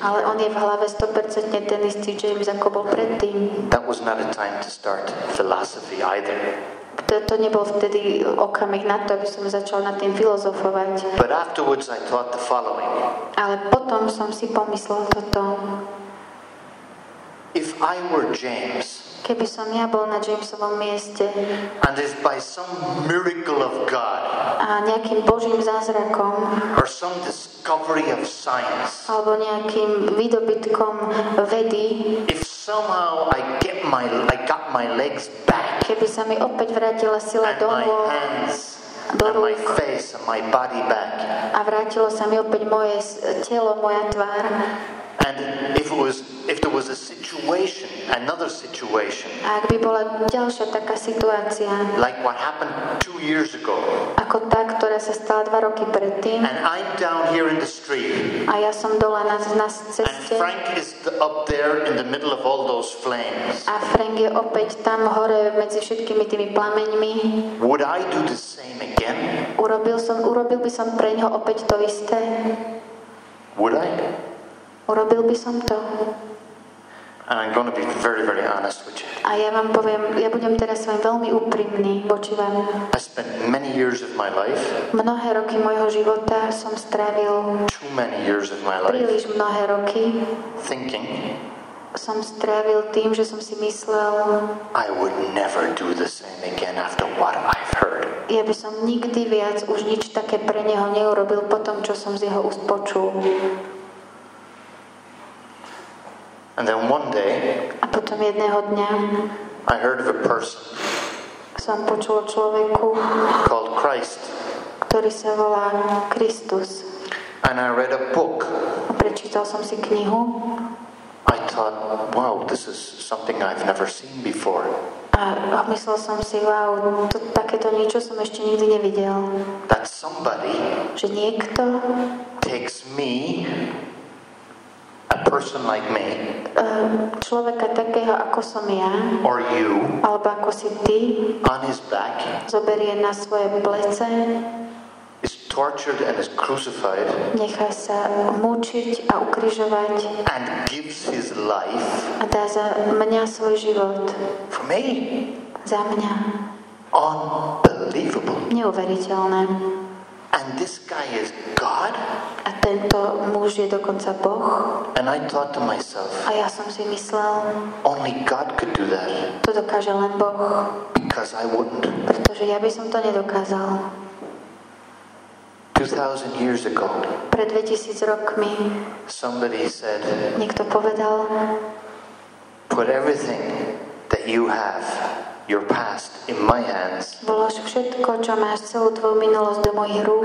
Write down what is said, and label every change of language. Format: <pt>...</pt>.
<sk>Ale on je v hlave 100% ten istý James, ako bol predtým.</sk> <en>That was not a time to start philosophy either.</en> <sk>To nebol vtedy okamih na to, aby som začal nad tým filozofovať.</sk> <en>But afterwards I thought the following.</en> <sk>Ale potom som si pomyslel toto.</sk> <en>If I were James,</en> <sk>keby som ja bol na Jamesovom mieste,</sk> <en>and if by some miracle of God,</en> <sk>a nejakým Božím zázrakom,</sk> <en>or some discovery of science,</en> <sk>alebo nejakým výdobytkom vedy,</sk> <en>if somehow I got my legs back,</en> <sk>keby sa mi opäť vrátila sila do nôh, do rúk,</sk> <en>my face and my body back,</en> <sk>a vrátilo sa mi opäť moje telo, moja tvár,</sk> <en>and if there was a situation, another situation,</en> <sk>a ak by bola ďalšia taká situácia,</sk> <en>like what happened 2 years ago,</en> <sk>ako tá, ktorá sa stala 2 roky predtým,</sk> <en>and I'm down here in the street,</en> <sk>a ja som dole na ceste,</sk> <en>and Frank is up there in the middle of all those flames,</en> <sk>a Frank je opäť tam hore medzi všetkými tými plameňmi,</sk> <en>would I do the same again?</en> <sk>Urobil by som pre ňoho opäť to isté?</sk> <en>Would I?</en> <sk>Urobil by som to.</sk> <en>And I'm going to be very, very honest with you.</en> <sk>A ja vám poviem, ja budem teraz s vami veľmi úprimný voči vám.</sk> <en>I spent many years of my life.</en> <sk>Mnohé roky mojho života som strávil.</sk> <en>Too many years of my life.</en> <sk>Príliš mnohé roky.</sk> <en>Thinking.</en> <sk>Som strávil tým, že som si myslel.</sk> <en>I would never do the same again after what I've heard.</en> <sk>Ja by som nikdy viac už nič také pre neho neurobil po tom, čo som z jeho úst počul.</sk> <en>And then one day,</en> <sk>a potom jedného dňa,</sk> <en>I heard of a person,</en> <sk>som počul o človeku,</sk> <en>called Christ,</en> <sk>ktorý sa volá Kristus,</sk> <en>and I read a book,</en> <sk>a prečítal som si knihu,</sk> <en>I thought, wow, this is something I've never seen before.</en> <sk>A myslel som si, wow, to takéto niečo som ešte nikdy nevidel.</sk> <en>That somebody,</en> <sk>že niekto,</sk> <en>takes me, a person like me,</en> <sk>človeka takého ako som ja,</sk> <en>or you,</en> <sk>alebo ako si ty,</sk> <en>on his back,</en> <sk>zoberie na svoje plece,</sk> <en>is tortured and is crucified,</en> <sk>nechá sa mučiť a ukrižovať,</sk> <en>and gives his life,</en> <sk>a dá za mňa svoj život,</sk> <en>for me,</en> <sk>za mňa,</sk> <en>Unbelievable.</en> <sk>Neuveriteľné.</sk> <en>And this guy is God?</en> <sk>A tento muž je dokonca Boh.</sk> <en>And I thought to myself.</en> <sk>A ja som si myslel.</sk> <en>Only God could do that.</en> <sk>To dokáže len Boh.</sk> <en>Because I wouldn't.</en> <sk>Pretože ja by som to nedokázal.</sk> <en>2000 years ago.</en> <sk>Pred 2000 rokmi.</sk> <en>Somebody said.</en> <sk>Niekto povedal.</sk> <en>Put everything that you have, your past, in my hands.</en> <sk>Vlož všetko, čo máš, celú tvoju minulosť do mojich rúk.</sk>